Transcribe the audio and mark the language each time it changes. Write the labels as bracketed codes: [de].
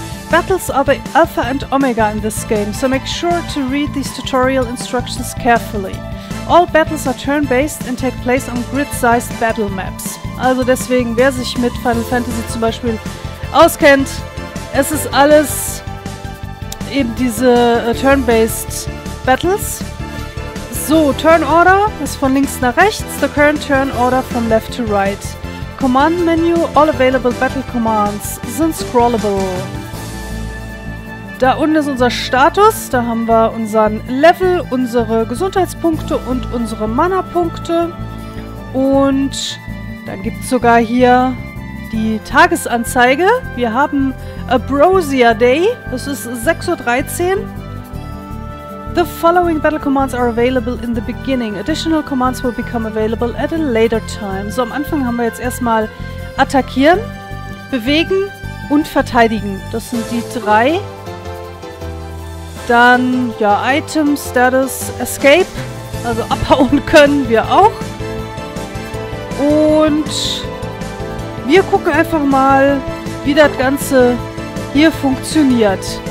[en] Battles are the Alpha and Omega in this game, so make sure to read these tutorial instructions carefully. All battles are turn-based and take place on grid-sized battle maps. [de] Also deswegen, wer sich mit Final Fantasy zum Beispiel auskennt, es ist alles eben diese turn-based battles. So, Turn Order ist von links nach rechts, the current turn order from left to right. [en] Command Menu, all available battle commands sind scrollable. [de] Da unten ist unser Status, da haben wir unseren Level, unsere Gesundheitspunkte und unsere Mana-Punkte. Und dann gibt es sogar hier die Tagesanzeige. Wir haben Ambrosia Day, das ist 6.13 Uhr. [en] The following battle commands are available in the beginning. Additional commands will become available at a later time. [de] So, am Anfang haben wir jetzt erstmal attackieren, bewegen und verteidigen. Das sind die drei. Dann, ja, Item, Status, Escape. Also abhauen können wir auch. Und wir gucken einfach mal, wie das Ganze hier funktioniert.